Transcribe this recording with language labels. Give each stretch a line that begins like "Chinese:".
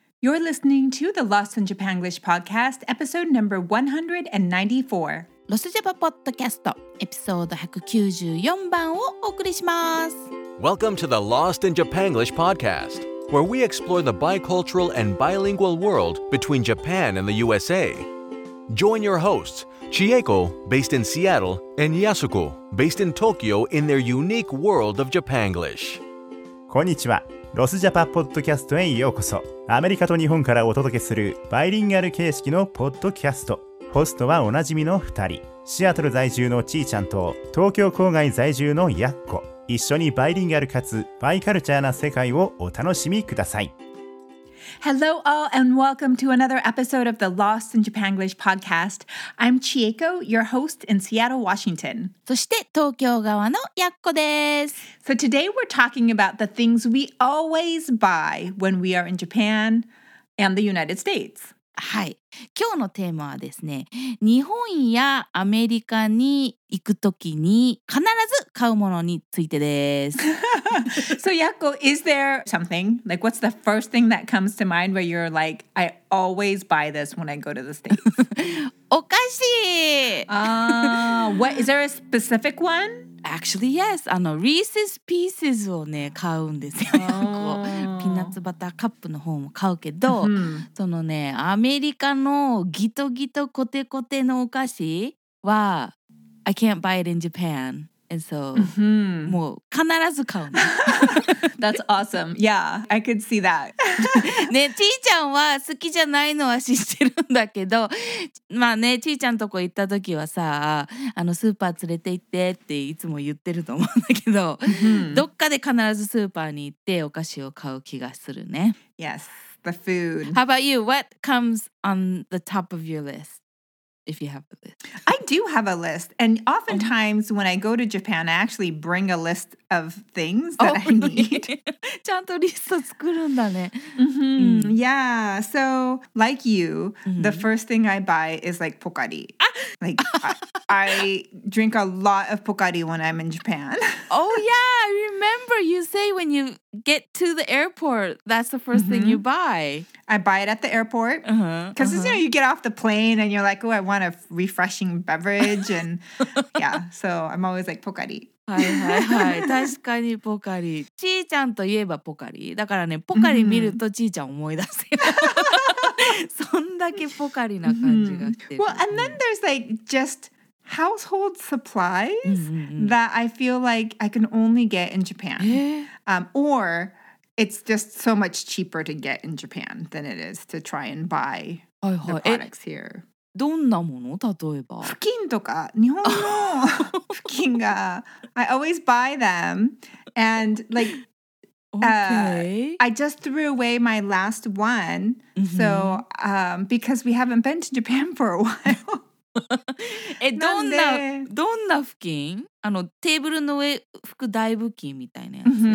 English: You're listening to the Lost in Japanglish podcast, episode number 194.
Japanese: ロスジャパポッドキャスト、エピソード194番をお送りします。
English: Welcome to the Lost in Japanglish podcast, where we explore the bicultural and bilingual world between Japan and the USA. Join your hosts, Chieko, based in Seattle, and Yasuko, based in Tokyo, in their unique world of Japanglish.
Japanese: こんにちは。ロスジャパポッドキャストへようこそ。アメリカと日本からお届けするバイリンガル形式のポッドキャスト。ホストはおなじみの2人、シアトル在住のちーちゃんと東京郊外在住のやっこ。一緒にバイリンガルかつバイカルチャーな世界をお楽しみください。
English: Hello all and welcome to another episode of the Lost in Japanglish podcast. I'm Chieko, your host in Seattle, Washington.
Japanese: そして東京側のやっこです。
English: So today we're talking about the things we always buy when we are in Japan and the United States.
Japanese: はい。今日のテーマはですね、日本やアメリカに行くときに必ず買うものについてです。
English: So Yako, is there something, like what's the first thing that comes to mind where you're like, I always buy this when I go to the States?
Japanese: お菓子!
English: What, is there a specific one? Actually, yes. Reese's Pieces
Japanese: をね、買うんですよ。
English: Oh.
Japanese: ピーナッツバターカップの方も買うけど、mm-hmm. そのね、アメリカのギトギトコテコテのお菓子は、
English: I can't buy it in Japan. And so,
Japanese: もう必ず買うの。
English: That's awesome. Yeah, I could see that.
Japanese: ね、ちーちゃんは好きじゃないのは知ってるんだけど、まあね、ちーちゃんとこ行った時はさ、スーパー連れて行ってっていつも言ってると思うんだけど、どっかで必ずスーパーに行ってお菓子を買う気がするね。
English: Yes, the food. How about you? What comes on the top of your list? If you have a list. I do have a list. And oftentimes when I go to Japan, I actually bring a list of things that I need.
Japanese: ちゃんとリスト作るんだね。
English: Yeah. So like you, the first thing I buy is like Pocari. Like I drink a lot of Pocari when I'm in Japan. Oh yeah. I remember you say when you get to the airport, that's the first thing you buy. I buy it at the airport. Because you know, you get off the plane and you're like, oh, I want a refreshing beverage. And yeah, so I'm always like, Pocari.
Japanese: はいはいはい。確かにポカリ。ちーちゃんといえばポカリ。だからね、ポカリ見るとちーちゃん思い出すよ。そんだけポカリな感じがしてる。
English: Well, and then there's like just household supplies that I feel like I can only get in Japan. Or it's just so much cheaper to get in Japan than it is to try and buy the products here.
Japanese: どんなもの例えば布巾とか日本の布巾が
English: I always buy them and like I just threw away my last one so because we haven't been to Japan for a while
Japanese: え、どんな布巾テーブルの上拭く大布巾みたいなやつ